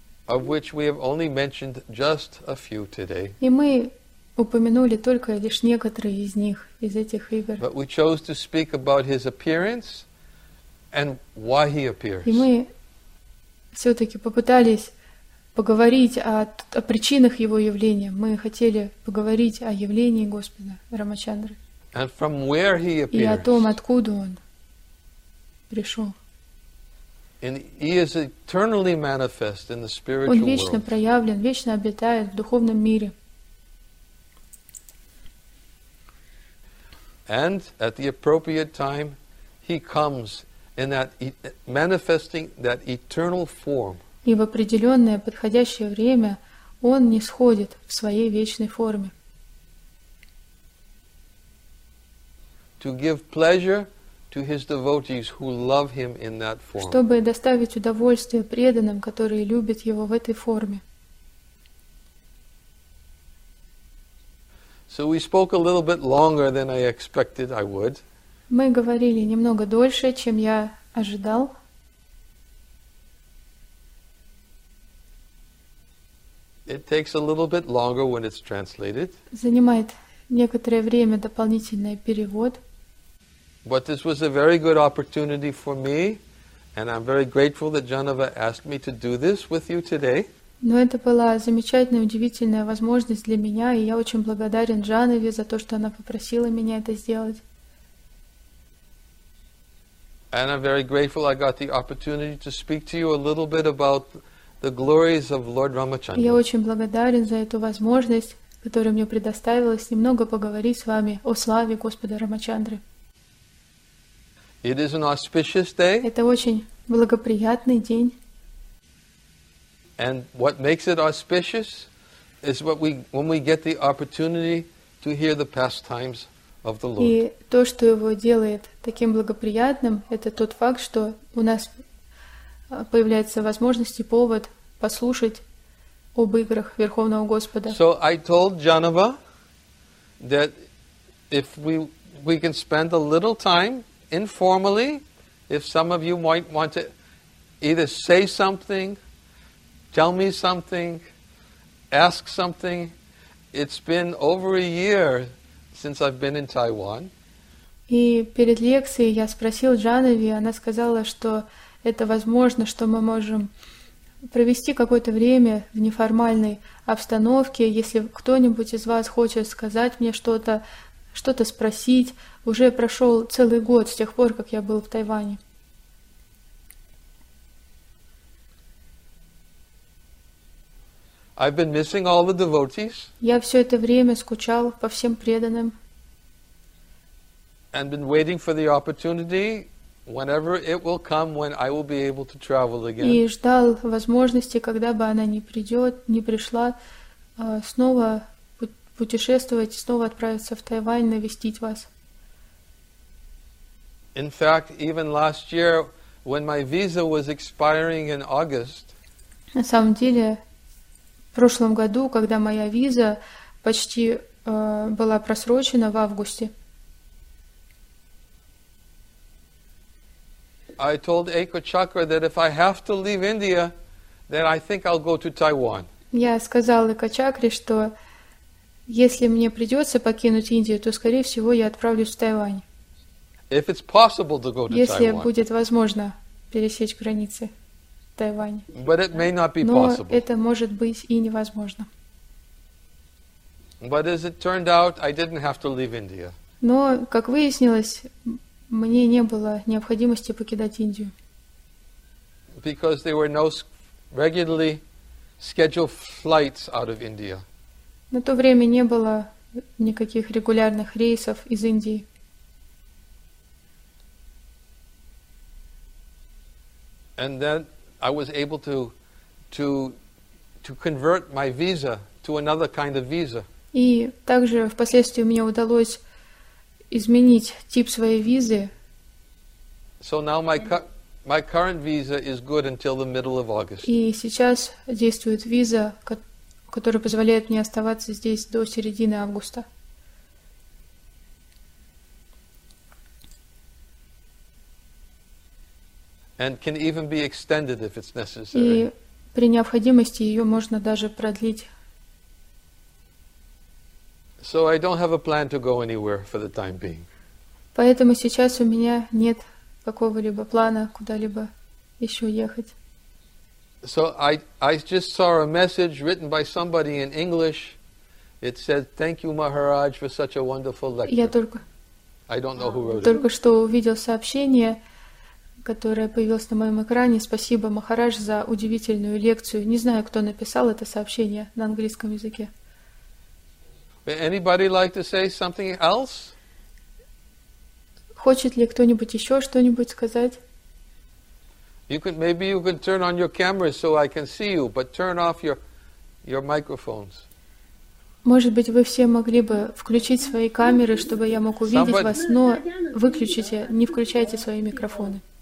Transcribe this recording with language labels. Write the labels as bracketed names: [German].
[Russian] И мы упомянули только лишь некоторые из них, из этих игр. [English] But we chose to speak about his appearance and why he appears. [Russian] И мы все-таки попытались поговорить о причинах его явления. Мы хотели поговорить о явлении Господа Рамачандры. [English] And from where he appears. [Russian] И о том, откуда он пришел. [English] And he is eternally manifest in the spiritual [Russian] он вечно [English] world. [Russian] Проявлен, вечно обитает в духовном мире. [English] And at the appropriate time, he comes in that manifesting that eternal form. [Russian] И в определенное подходящее время он нисходит в своей вечной форме. [English] To give pleasure to his devotees who love him in that form. [Russian] Чтобы доставить удовольствие преданным, которые любят его в этой форме. [English] So we spoke a little bit longer than I expected I would. [Russian] Мы говорили немного дольше, чем я ожидал. [English] It takes a little bit longer when it's translated. [Russian] Занимает некоторое время дополнительный перевод. [English] But this was a very good opportunity for me, and I'm very grateful that Janava asked me to do this with you today. [Russian] Но это была замечательная, удивительная возможность для меня, и я очень благодарен Джанаве за то, что она попросила меня это сделать. [English] And I'm very grateful I got the opportunity to speak to you a little bit about the glories of Lord Ramachandra. [Russian] Я очень благодарен за эту возможность, которая мне предоставилась, немного поговорить с вами о славе Господа Рамачандры. [English] It is an auspicious day. [Russian] Это очень благоприятный день. [English] And what makes it auspicious is what we when we get the opportunity to hear the pastimes of the Lord. [Russian] И то, что его делает таким благоприятным, это тот факт, что у нас появляется возможность и повод послушать об играх Верховного Господа. [English] So I told Janava that if we can spend a little time informally, if some of you might want to either say something, tell me something, ask something. It's been over a year since I've been in Taiwan. [Russian] И перед лекцией я спросил Джанави, она сказала, что это возможно, что мы можем провести какое-то время в неформальной обстановке, если кто-нибудь из вас хочет сказать мне что-то, что-то спросить. Уже прошел целый год с тех пор, как я был в Тайване. [English] I've been missing all the devotees. [Russian] Я все это время скучал по всем преданным. [English] And been waiting for the opportunity whenever it will come when I will be able to travel again. [Russian] И ждал возможности, когда бы она не пришла снова путешествовать и снова отправиться в Тайвань, навестить вас. [English] In fact, even last year, when my visa was expiring in August, [Russian] на самом деле, в прошлом году, когда моя виза почти была просрочена в августе, [English] I told Eko Chakra that if I have to leave India, then I think I'll go to Taiwan. [Russian] Я сказал Эко Чакре, что если мне придется покинуть Индию, то, скорее всего, я отправлюсь в Тайвань. [English] If it's possible to go to Taiwan. [Russian] Если будет возможно пересечь границы Тайваня. [English] But it may not be [Russian] Но [English] possible. [Russian] Это может быть и невозможно. [English] But as it turned out, I didn't have to leave India. [Russian] Но, как выяснилось, мне не было необходимости покидать Индию. [English] Because there were no regularly scheduled flights out of India. [Russian] На то время не было никаких регулярных рейсов из Индии. [English] And then I was able to convert my visa to another kind of visa. [Russian] И также впоследствии мне удалось изменить тип своей визы. [English] So now my current visa is good until the middle of August. [Russian] И сейчас действует виза, которая позволяет мне оставаться здесь до середины августа. [English] And can even be extended if it's necessary. [Russian] И при необходимости ее можно даже продлить. [English] So I don't have a plan to go anywhere for the time being. [Russian] Поэтому сейчас у меня нет какого-либо плана куда-либо еще ехать. [English] So I just saw a message written by somebody in English. It said, "Thank you, Maharaj, for such a wonderful lecture." I don't know who wrote it. [Russian] Только что увидел сообщение, которое появилось на моем экране. Спасибо, Махарадж, за удивительную лекцию. Не знаю, кто написал это сообщение на английском языке. [English] Anybody like to say something else? [Russian] Хочет ли кто-нибудь еще что-нибудь сказать? [English] Maybe you can turn on your camera so I can see you, but turn off your microphones. [Russian] Может быть, вы все могли бы включить свои камеры, чтобы я мог увидеть вас, но выключите, не включайте свои микрофоны.